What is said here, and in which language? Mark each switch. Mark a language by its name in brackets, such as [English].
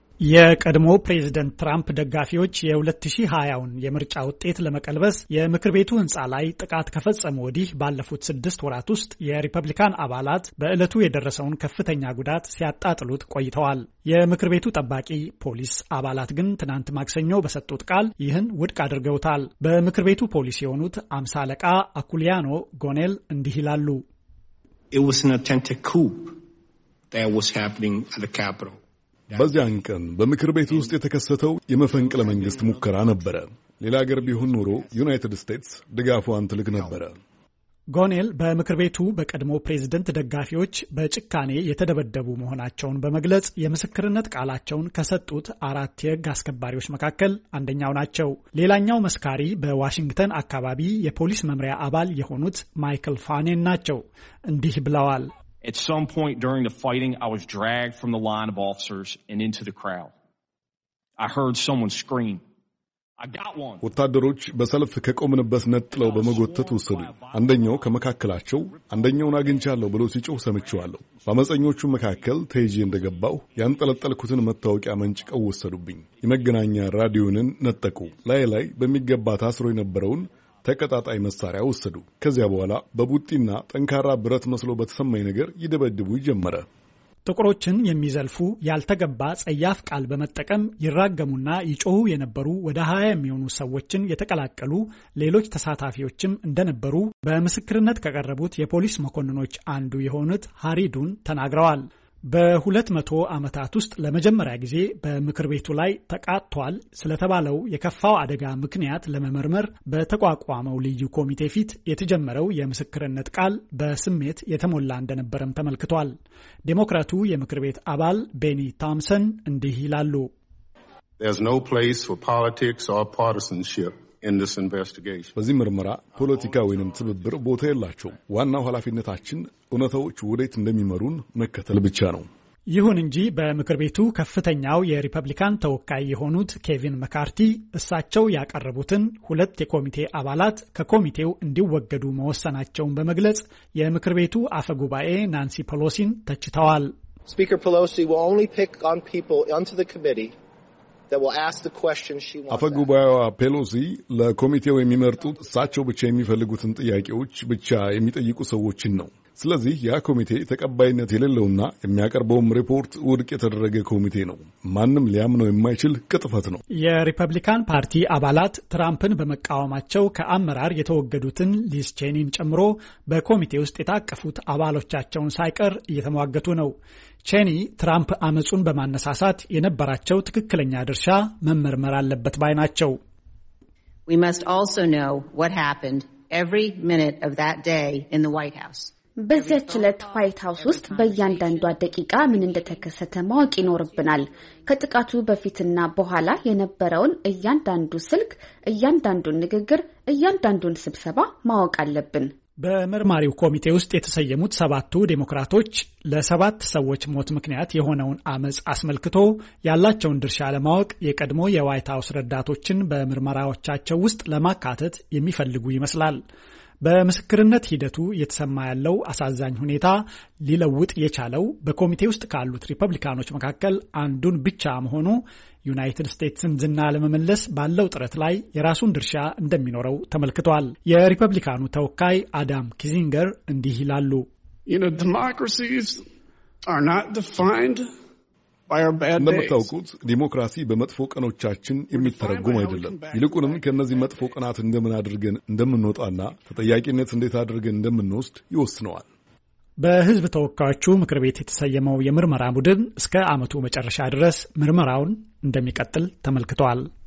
[Amharic] የቀድሞ ፕሬዝደንት ትራምፕ ደጋፊዎች የ2020ውን የምርጫ ውጤት ለመቀልበስ የምክር ቤቱ ህንፃ ላይ ጥቃት ከፈጸሙ ወዲህ ባለፉት 6 ወራት ውስጥ የሪፐብሊካን አባላት በእለቱ የደረሰውን ከፍተኛ ጉዳት ሲያጣጥሉት ቆይተዋል። የምክር ቤቱ ጠባቂ ፖሊስ አባላት ግን ትናንት ማክሰኞ በሰጡት ቃል ይህን ውድቅ አድርገውታል። በምክር ቤቱ ፖሊስ የሆኑት 50 አለቃ አኩሊያኖ ጎኔል እንዲህ ይላሉ። [English] It was an attempted coup that was happening at the Capitol. [Amharic] በዚያን ቀን በምክር ቤት ውስጥ የተከሰተው የመፈንቅለ መንግሥት ሙከራ ነበረ። ሌላ አገር ቢሆን ኖሮ ዩናይትድ ስቴትስ ድጋፏን ትልቅ ነበረ። ጎኔል በምክር ቤቱ በቀድሞ ፕሬዝደንት ደጋፊዎች በጭካኔ የተደበደቡ መሆናቸውን በመግለጽ የምስክርነት ቃላቸውን ከሰጡት አራት የሕግ አስከባሪዎች መካከል አንደኛው ናቸው። ሌላኛው መስካሪ በዋሽንግተን አካባቢ የፖሊስ መምሪያ አባል የሆኑት ማይክል ፋኔን ናቸው። እንዲህ ብለዋል። [English] At some point during the fighting, I was dragged from the line of officers and into the crowd. I heard someone scream. I got one. [Amharic] ወታደሮች በሰልፍ ከቆምንበት ነጥለው በመጎተት ወሰዱ። አንደኛው ከመካከላቸው አንደኛውን አግንቻለሁ ብሎ ሲጮህ ሰምቻለሁ። በመጸኞቹ መካከል ተይዤ እንደገባው ያንጠለጠልኩትን መታወቂያ መንጭቀው ወሰዱብኝ። የመገናኛ ራዲዮንን ነጠቁ። ላይ በሚገባ ታስሮ የነበረውን ተከታታይ መሳሪያ ወሰዱ። ከዚያ በኋላ በቡጢና ጠንካራ ብረት መስሎ በተሰማኝ ነገር ይደበድቡ ጀመረ። ጥቁሮችን የሚዘልፉ ያልተገባ ጸያፍ ቃል በመጠቀም ይራገሙና ይጮሁ የነበሩ ወደ 20 የሚሆኑ ሰዎችን የተቀላቀሉ ሌሎች ተሳታፊዎችም እንደነበሩ በምስክርነት ከቀረቡት የፖሊስ መኮንኖች አንዱ የሆኑት ሃሪዱን ተናግረዋል። በ200 ዓመታት ውስጥ ለመጀመሪያ ጊዜ በምክር ቤቱ ላይ ተቃጥቷል ስለተባለው የከፋው አደጋ ምክንያት ለመመርመር በተቋቋመው ልዩ ኮሚቴ ፊት የተጀመረው የምስክርነት ቃል በስሜት የተሞላ እንደነበረም ተመልክቷል። ዴሞክራቱ የምክር ቤት አባል ቤኒ ታምሰን እንዲህ ይላሉ። [English] There's no place for politics or partisanship. [Amharic] በዚህ ምርመራ ፖለቲካ ወይንም ትብብር ቦታ የላቸው። ዋናው ኃላፊነታችን እውነታዎች ወዴት እንደሚመሩን መከተል ብቻ ነው። ይሁን እንጂ በምክር ቤቱ ከፍተኛው የሪፐብሊካን ተወካይ የሆኑት ኬቪን መካርቲ እሳቸው ያቀረቡትን ሁለት የኮሚቴ አባላት ከኮሚቴው እንዲወገዱ መወሰናቸውን በመግለጽ የምክር ቤቱ አፈ ጉባኤ ናንሲ ፖሎሲን ተችተዋል። [English] Speaker Pelosi will only pick on people onto the committee that will ask the question she wants. [Amharic] አፈጉባኤዋ ፔሎሲ ለኮሚቴው የሚመርጡት ሳቸው ብቻ የሚፈልጉትን ጥያቄዎች ብቻ የሚጠይቁ ሰዎችን ነው። ስለዚህ ያ ኮሚቴ ተቀባይነት የሌለውና የሚያቀርበውም ሪፖርት ውድቅ የተደረገ ኮሚቴ ነው። ማንም ሊያምነው የማይችል ቅጥፈት ነው። የሪፐብሊካን ፓርቲ አባላት ትራምፕን በመቃወማቸው ከአመራር የተወገዱትን ሊዝ ቼኒን ጨምሮ በኮሚቴው ውስጥ የታቀፉት አባሎቻቸውን ሳይቀር እየተሟገቱ ነው። ቼኒ ትራምፕ አመጹን በማነሳሳት የነበራቸው ትክክለኛ ድርሻ መመርመር አለበት ባይ ናቸው። [English] We must also know what happened every minute of that day in the White House. [Amharic] በዚያች ዕለት ዋይት ሃውስ ውስጥ በእያንዳንዷ ደቂቃ ምን እንደተከሰተ ማወቅ ይኖርብናል። ከጥቃቱ በፊትና በኋላ የነበረውን እያንዳንዱ ስልክ፣ እያንዳንዱን ንግግር፣ እያንዳንዱን ስብሰባ ማወቅ አለብን። በመርማሪው ኮሚቴ ውስጥ የተሰየሙት 7 ዴሞክራቶች ለ7 ሰዎች ሞት ምክንያት የሆነውን አመጽ አስመልክቶ ያላቸውን ድርሻ ለማወቅ የቀድሞ የዋይት ሃውስ ረዳቶችን በመርማሪያዎቻቸው ውስጥ ለማካተት የሚፈልጉ ይመስላል። በምስክርነት ሂደቱ የተሰማ ያለው አሳዛኝ ሁኔታ ሊለውጥ የቻለው በኮሚቴው ውስጥ ካሉት ሪፐብሊካኖች መካከል አንዱን ብቻ መሆኑ ዩናይትድ ስቴትስን ዝና ለመመለስ ባለው ጥረት ላይ የራሱን ድርሻ እንደሚኖረው ተመልክቷል። የሪፐብሊካኑ ተወካይ አዳም ኪዚንገር እንዲህ ይላሉ። [English] You know, democracies are not defined [Amharic] እንደምታውቁት ዲሞክራሲ በመጥፎ ቀኖቻችን የሚተረጉም አይደለም። ይልቁንም ከነዚህ መጥፎ ቀናት እንደምን አድርገን እንደምንወጣና ተጠያቂነት እንዴት አድርገን እንደምንወስድ ይወስነዋል። በህዝብ ተወካዮቹ ምክር ቤት የተሰየመው የምርመራ ቡድን እስከ አመቱ መጨረሻ ድረስ ምርመራውን እንደሚቀጥል ተመልክቷል።